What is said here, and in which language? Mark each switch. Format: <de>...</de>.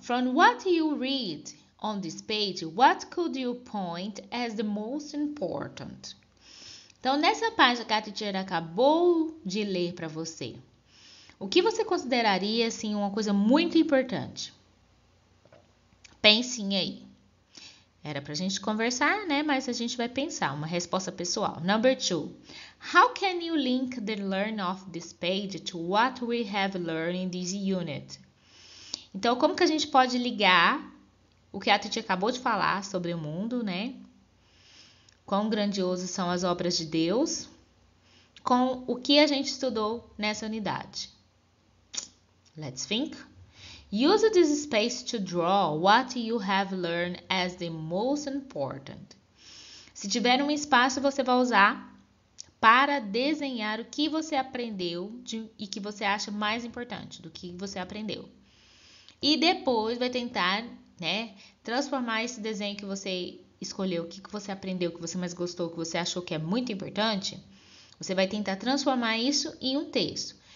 <en>From what you read on this page, what could you point as the most important?</en> <pt>Então, nessa página que a teacher acabou de ler para você, o que você consideraria, assim, uma coisa muito importante? Pensem aí. Era para a gente conversar, né? Mas a gente vai pensar, uma resposta pessoal.</pt> <en>Number 2. How can you link the learn of this page to what we have learned in this unit?</en> <pt>Então, como que a gente pode ligar o que a teacher acabou de falar sobre o mundo, né? Quão grandiosas são as obras de Deus com o que a gente estudou nessa unidade.</pt> <en>Let's think. Use this space to draw what you have learned as the most important.</en> <pt>Se tiver um espaço, você vai usar para desenhar o que você aprendeu e que você acha mais importante do que você aprendeu. E depois vai tentar, né, transformar esse desenho que você escolheu, o que você aprendeu, o que você mais gostou, o que você achou que é muito importante, você vai tentar transformar isso em um texto.</pt>